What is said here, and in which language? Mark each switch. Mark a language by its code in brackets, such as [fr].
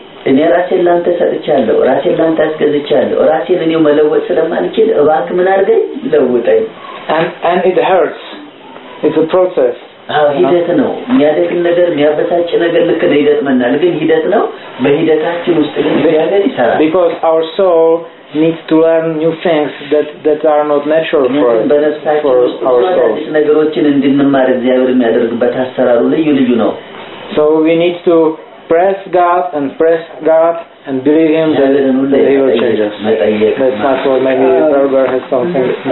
[am] እኔ ራሴን ላንተ ሰጥቻለሁ ራሴን ላንተ አስገዝቻለሁ ራሴን እኔ መለወጥ ስለማልችል እባክህ ምን አድርገኝ ለውጠኝ። [en] And it hurts. It's a process. [am] ሂደት ነው። የሚያደግን ነገር የሚያበሳጭ ነገር ልክ ነው ይገጥመናል ግን ሂደት ነው። በሂደታችን ውስጥ ግን እግዚአብሔር ይሰራል። [en] Because our soul needs to learn new things that are not natural for our soul. [am] እነዚህ ነገሮችን እንድንማር እግዚአብሔር የሚያደርግበት አሰራሩ ልዩ ልዩ ነው። [en] So we need to press God and believe him that he will change us. Let's not go, maybe Robert has something.